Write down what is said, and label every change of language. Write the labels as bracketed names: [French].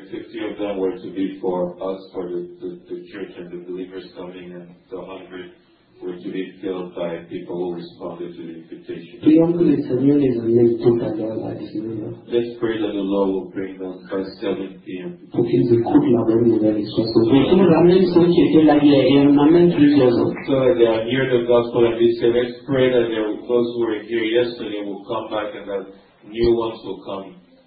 [English] 50 of them were to be for us, for the church and the believers coming, and the 100 were to be filled by people who responded to the invitation. Let's pray that the Lord will bring them by 7 p.m. [French] Pour qu'ils écoutent la bonne nouvelle et soient sauvés. Qu'ils ramènent ceux qui étaient là hier et en amènent plusieurs autres. [English] So that they are near the gospel and they say, let's pray that those who were here yesterday will come back and that new ones will come.